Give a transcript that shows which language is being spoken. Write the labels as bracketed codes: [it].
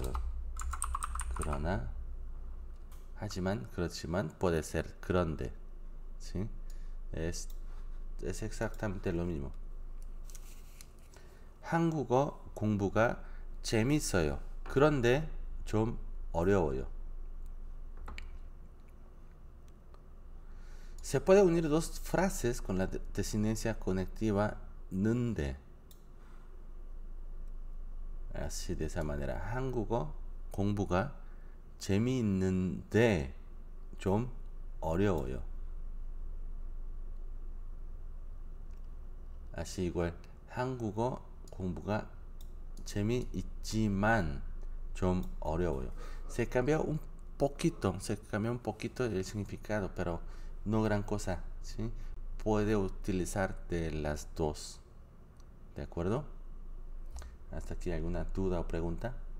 [es] Perdón. 그러나, 하지만, 그렇지만, puede ser, 그런데, ¿sí? Es exactamente lo mismo. [ko] 한국어 공부가 재밌어요. 그런데 좀 어려워요. [es] Se puede unir dos frases con la desinencia conectiva nde. Así, de esa manera. [ko] 한국어 공부가 재미있는데 좀 어려워요. [es] Así igual, [ko] 한국어 공부가 재미있지만 좀 어려워요. [es] se cambia un poquito, se cambia un poquito el significado, pero no gran cosa, ¿sí? Puede utilizar de las dos. ¿De acuerdo? ¿Hasta aquí alguna duda o pregunta?